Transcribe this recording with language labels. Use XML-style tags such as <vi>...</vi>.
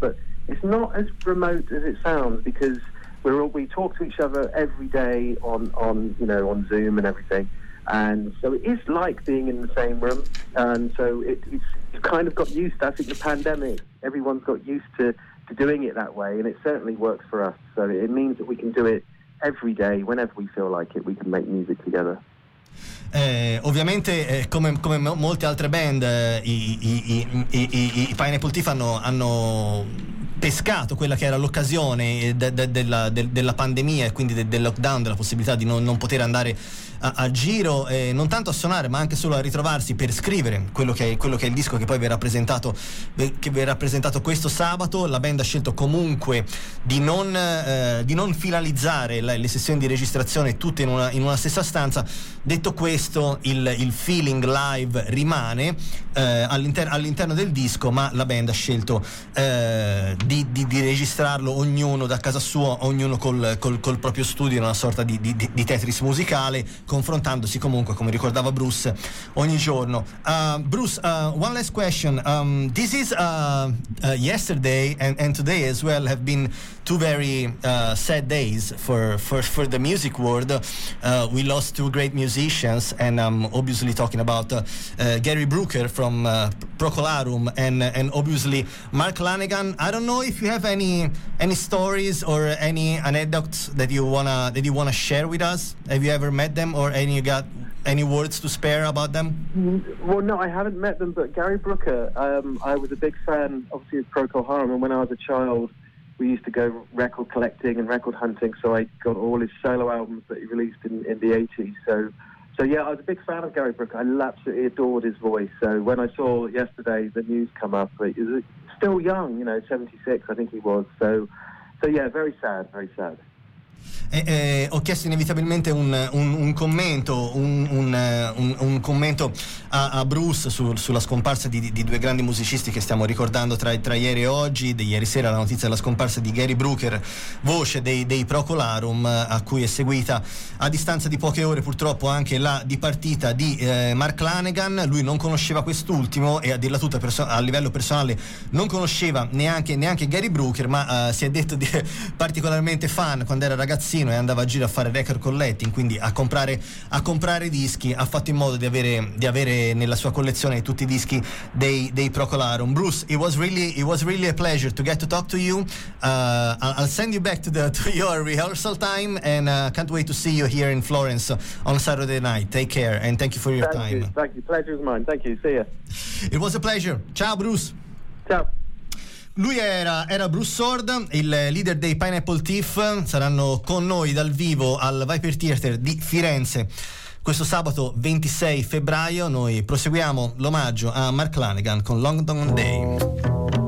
<en>But it's not as remote as it sounds, because we talk to each other every day on Zoom and everything. And so it is like being in the same room. And so you've kind of got used to, I think, the pandemic. Everyone's got used to doing it that way, and it certainly works for us. So it means that we can do it every day. Whenever we feel like it, we can make music together.</en> <it>Ovviamente come molte altre band, i Pineapple Thief hanno pescato quella che era l'occasione della pandemia e quindi del lockdown, della possibilità di non poter andare a giro, non tanto a suonare ma anche solo a ritrovarsi per scrivere quello che è il disco che poi verrà presentato questo sabato. La band ha scelto comunque di non finalizzare le sessioni di registrazione tutte in una stessa stanza. Detto questo, il feeling live rimane all'interno del disco, ma la band ha scelto di registrarlo ognuno da casa sua, ognuno col proprio studio, in una sorta di Tetris musicale, confrontandosi comunque, come ricordava Bruce, ogni giorno.</it> <en>Bruce, one last question. This is yesterday and today as well have been two very sad days for the music world. We lost two great musicians, and I'm obviously talking about Gary Brooker from Procol Harum and obviously Mark Lanegan. I don't know if you have any stories or any anecdotes that you wanna share with us. Have you ever met them, or any you got any words to spare about them? Well, no, I haven't met them, but Gary Brooker, I was a big fan, obviously, of Procol Harum, and when I was a child, we used to go record collecting and record hunting, so I got all his solo albums that he released in the 80s. So yeah, I was a big fan of Gary Brooker. I absolutely adored his voice. So when I saw yesterday the news come up, he was still young, you know, 76, I think he was. So yeah, very sad, very sad.</en> <it>Ho chiesto inevitabilmente un commento a Bruce sulla scomparsa di due grandi musicisti che stiamo ricordando tra ieri e oggi. Di ieri sera la notizia della scomparsa di Gary Brooker, voce dei Procol Harum, a cui è seguita a distanza di poche ore purtroppo anche la dipartita di Mark Lanegan. Lui non conosceva quest'ultimo e a dirla tutta a livello personale non conosceva neanche Gary Brooker, ma si è detto di particolarmente fan quando era ragazzino e andava a giro a fare</it> <en>record collecting,</en> <it>quindi a comprare dischi. Ha fatto in modo di avere nella sua collezione tutti i dischi dei Procol Harum.</it> <en>Bruce, it was really a pleasure to get to talk to you. I'll send you back to your rehearsal time, and can't wait to see you here in Florence on Saturday night. Take care and thank you for your time. Thank you, pleasure is mine. Thank you, see ya. It was a pleasure.</en> <it>Ciao Bruce. Ciao. Lui era Bruce Sord, il leader dei Pineapple Thief. Saranno con noi dal vivo al Viper Theater di Firenze questo sabato 26 febbraio. Noi proseguiamo l'omaggio a Mark Lanegan con London Day.</it>